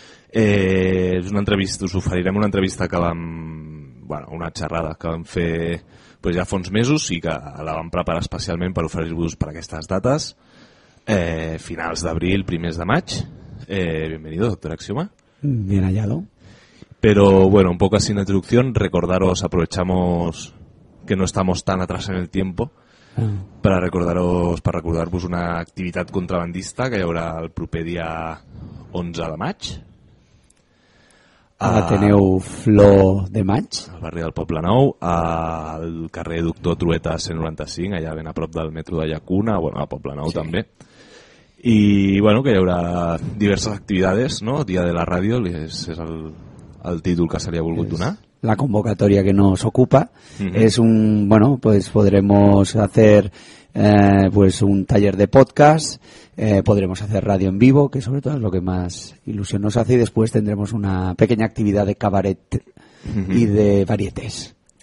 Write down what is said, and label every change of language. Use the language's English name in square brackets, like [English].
[Catalan] És una entrevista, us oferirem una entrevista que vam... Bueno, una xerrada que vam fer pues, ja fa uns mesos i que la vam preparar especialment per oferir-vos per aquestes dates. Finals d'abril, primers de maig. [Spanish] Bienvenido, doctor Axioma. Bien hallado. Pero bueno, un poco sin introducción, recordaros, aprovechamos... que no estamos tan atrás en el tiempo para recordaros para [Catalan] recordar-vos una activitat contrabandista que hi haurà el proper dia 11 de maig a l'Ateneu Flor de Maig, al barri del Poble Nou, al carrer Doctor Trueta 195, allà ben a prop del metro de Llacuna, bueno, al Poble Nou sí. També. I bueno, que hi haurà diverses activitats, no? Dia de la ràdio és el títol que se li ha volgut donar. [Spanish] La convocatoria que nos ocupa es un, bueno, pues podremos hacer pues un taller de podcast, podremos hacer radio en vivo, que sobre todo es lo que más ilusión nos hace, y después tendremos una pequeña actividad de cabaret y de varietés.